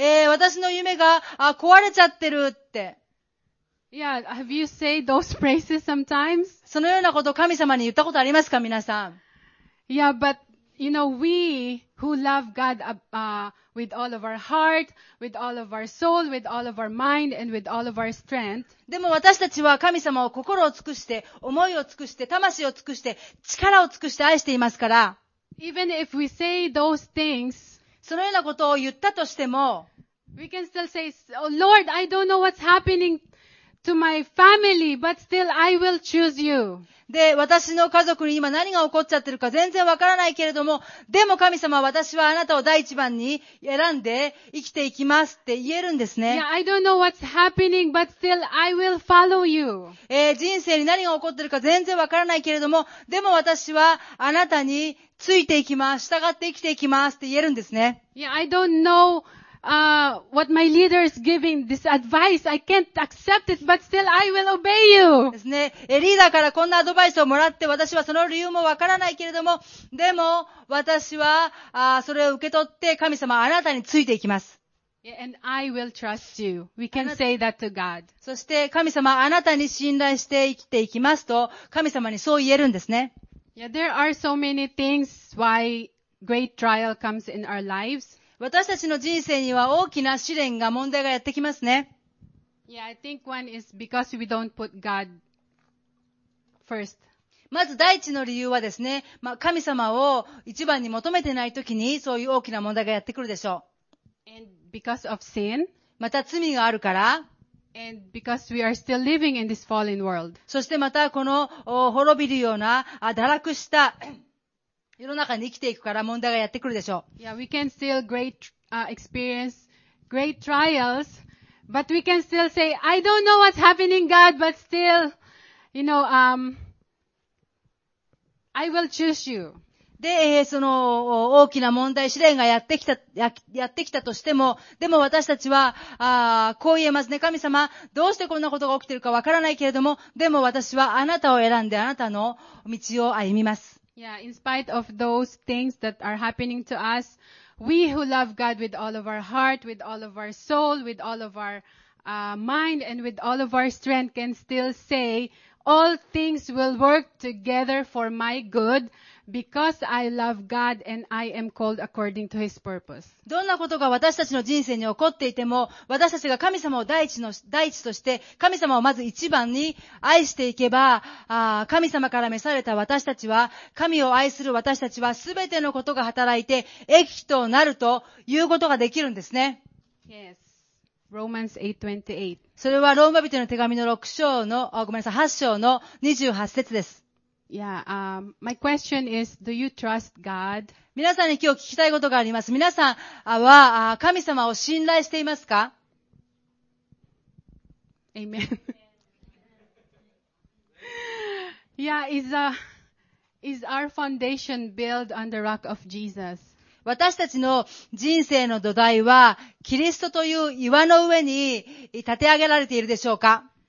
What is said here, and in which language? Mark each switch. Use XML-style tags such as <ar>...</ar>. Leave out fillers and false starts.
<ja>私の夢が壊れちゃってるって。</ja> <en>Yeah, have you said those praises sometimes?</en> <ja>そのようなことを神様に言ったことありますか、皆さん。</ja> <en>Yeah, but you know, we who love God, with all of our heart, with all of our soul, with all of our mind, and with all of our strength.</en> <ja>でも私たちは神様を心を尽くして、思いを尽くして、魂を尽くして、力を尽くして愛していますから。</ja> <en>Even if we say those things,</en> <ja>そのようなことを言ったとしても、</ja> <en>We can still say, Lord, I don't know what's happening to my family, but still I will choose you.</en> <ja>で、私の家族に今何が起こっちゃってるか全然わからないけれども、でも神様、私はあなたを第一番に選んで生きていきますって言えるんですね。</ja> <en>Yeah, I don't know what's happening, but still I will follow you.</en> <ja>人生に何が起こってるか全然わからないけれども、でも私はあなたについていきます。従って生きていきますって言えるんですね。</ja> <en>Yeah, I don't know, what my leader is giving this advice. I can't accept it, but still I will obey you.</en> <ja>ですね。リーダーからこんなアドバイスをもらって、私はその理由もわからないけれども、でも私は、それを受け取って、神様あなたについていきます。</ja> <en>Yeah, and I will trust you. We can say that to God.</en> <ja>そして神様あなたに信頼して生きていきますと、神様にそう言えるんですね。</ja> <en>Yeah, there are so many things why great trial comes in our lives.</en> <ja>私たちの人生には大きな試練が問題がやってきますね。</ja> <en>Yeah, I think one is because we don't put God first.</en> <ja>まず第一の理由はですね、まあ、神様を一番に求めてないときにそういう大きな問題がやってくるでしょう。</ja> <en>And because of sin.</en> <ja>また罪があるから。</ja> <en>And because we are still living in this fallen world.</en> <ja>そしてまたこの滅びるような堕落した世の中に生きていくから問題がやってくるでしょう。</ja> <en>Yeah, we can still experience great trials, but we can still say, I don't know what's happening, God, but still, you know, I will choose you.</en> <ja>で、その大きな問題、試練がやってきたとしても、でも私たちは、こう言えますね。神様、どうしてこんなことが起きているかわからないけれども、でも私はあなたを選んであなたの道を歩みます。</ja> <en>Yeah, in spite of those things that are happening to us, we who love God with all of our heart, with all of our soul, with all of our mind, and with all of our strength can still say, all things will work together for my good,Because I love God and I am called according to His purpose.</en> <ja>どんなことが私たちの人生に起こっていても、私たちが神様を第一として、神様をまず一番に愛していけば、神様から召された私たちは、神を愛する私たちは、すべてのことが働いて、益となるということができるんですね。</ja> <en>Yes. Romans 8:28.</en> <ja>それはローマ人の手紙の6章の、ごめんなさい、8章の28節です。</ja> <en>Yeah, my question is, do you trust God?</en> <ja>皆さんに今日聞きたいことがあります。皆さんは神様を信頼していますか?</ja> <en>Amen. Yeah, is our foundation built on the rock of Jesus?</en> <ja>私たちの人生の土台はキリストという岩の上に立て上げられているでしょうか?</ja>